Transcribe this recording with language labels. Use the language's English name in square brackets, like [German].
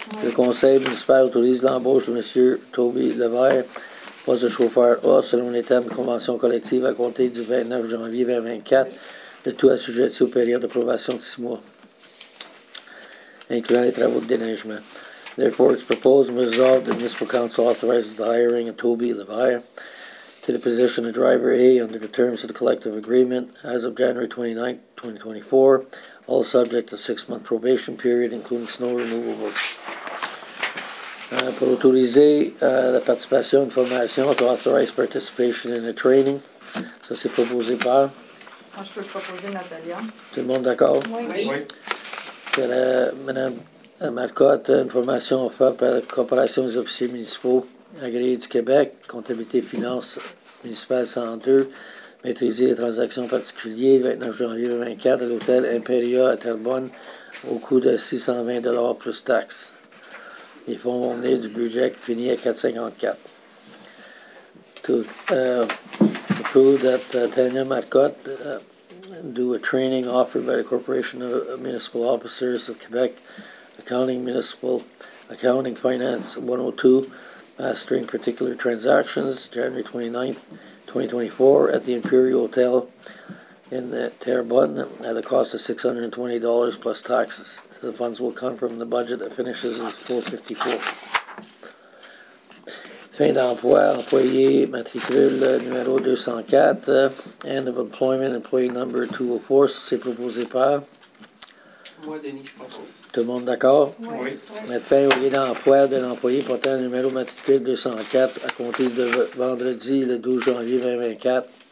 [French] Le conseil municipal autorise l'embauche de M. Toby Levert, poste de chauffeur A, selon les termes de convention collective à compter du 29 janvier 2024, le tout assujetti aux périodes d'approbation de 6 mois, incluant les travaux de déneigement. [English] Therefore, it's proposed and resolved that the municipal council authorizes the hiring of Toby Levert to the position of driver A under the terms of the collective agreement as of January 29, 2024. All subject to 6-month probation period, including snow removal work. [French] Pour autoriser la participation à une formation, [English] to authorize participation in a training, [French] ça c'est proposé par? Moi, je peux proposer Natalia. Tout le monde d'accord? Oui. Que Mme Marcotte, une formation offerte par la Corporation des officiers municipaux agréés du Québec, comptabilité et finances municipales 102, maîtriser les transactions particulières, 29 janvier 2024, à l'hôtel Imperia à Terrebonne, au coût de 620 $ plus taxes. Les fonds vont venir du budget qui finit à 454. [English] To prove that Tanya Marcotte do a training offered by the Corporation of Municipal Officers of Quebec, Accounting Municipal, Accounting Finance 102, Mastering Particular Transactions, January 29th, 2024 at the Imperial Hotel in the Terrebonne at a cost of $620 plus taxes. So the funds will come from the budget that finishes in 454. [French] Fin d'emploi, employé matricule numéro 204, [English] end of employment, employee number 204, [French] ça c'est proposé par? Moi, Denis, je propose. Tout le monde d'accord? Oui. Mettre fin au lieu d'emploi d'un employé portant le numéro matriculé 204 à compter de vendredi le 12 janvier 2024.